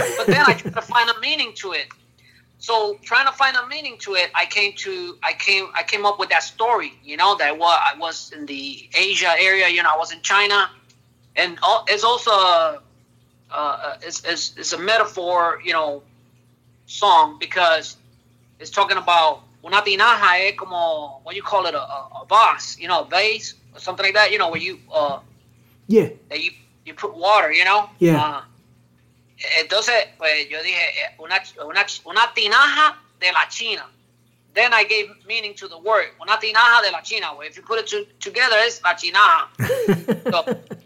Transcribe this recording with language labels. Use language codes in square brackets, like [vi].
[en] But then I try to find a meaning to it. So trying to find a meaning to it, I came up with that story, you know, that I was in the Asia area, you know, I was in China, and it's also it's a metaphor, you know, song, because it's talking about. [es] Una tinaja es como, [en] what you call it, a vase, you know, a vase or something like that, you know, where you, yeah, you put water, you know? Yeah. [es] Entonces, pues yo dije, una tinaja de la China. [en] Then I gave meaning to the word, [es] una tinaja de la China. [en] Well, if you put it together, it's la chinaja.